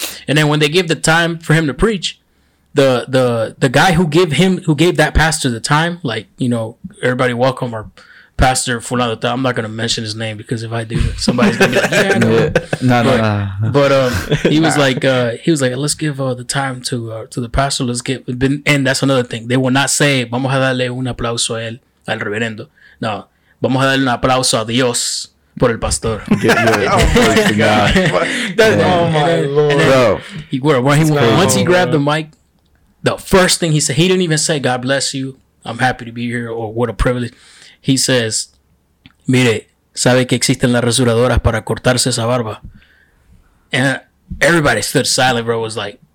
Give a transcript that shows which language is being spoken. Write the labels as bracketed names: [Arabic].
[English] And then when they gave the time for him to preach, the guy who gave him, who gave that pastor the time, like, you know, everybody welcome or. Pastor Fulano, I'm not going to mention his name because if I do, somebody's going to be like, yeah, No. But he was like, let's give the time to the pastor. Let's get, and that's another thing. They will not say, [Spanish] vamos a darle un aplauso a él, al reverendo. No, vamos a darle un aplauso a Dios por el pastor. [English] Oh my Lord. Once he grabbed the mic, the first thing he said, he didn't even say, God bless you, I'm happy to be here, or what a privilege. He says, [Spanish] mire, sabe que existen las rasuradoras para cortarse esa barba. [English] And everybody stood silent, bro. Was like,